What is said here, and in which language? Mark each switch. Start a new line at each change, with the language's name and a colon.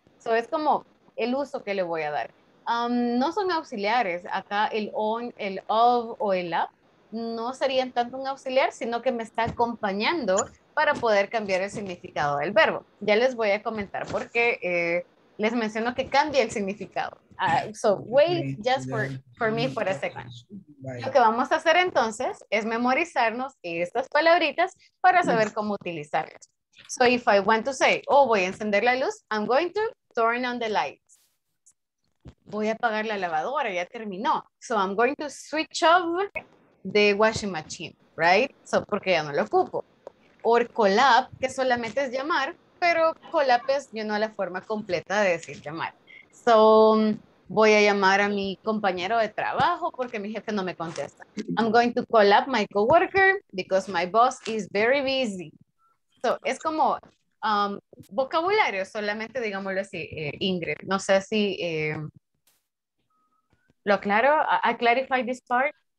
Spanish: So es como el uso que le voy a dar. No son auxiliares, acá el on, el off o el up, no serían tanto un auxiliar, sino que me está acompañando para poder cambiar el significado del verbo. Ya les voy a comentar por qué les menciono que cambia el significado.
English: So wait just for me for a second.
Spanish: Lo que vamos a hacer entonces es memorizarnos estas palabritas para saber cómo utilizarlas.
English: So if I want to say, oh,
Spanish: voy a encender la luz,
English: I'm going to turn on the lights.
Spanish: Voy a apagar la lavadora, ya terminó.
English: So I'm going to switch off the washing machine, right?
Spanish: So porque ya no lo ocupo.
English: Or call up,
Spanish: que solamente es llamar, pero call up es,
English: you know,
Spanish: la forma completa de decir llamar. So, voy a llamar a mi compañero de trabajo porque mi jefe no me contesta.
English: I'm going to call up my coworker because my boss is very busy.
Spanish: So, es como vocabulario, solamente digámoslo así, Ingrid. No sé si lo aclaro.
English: I clarify this part.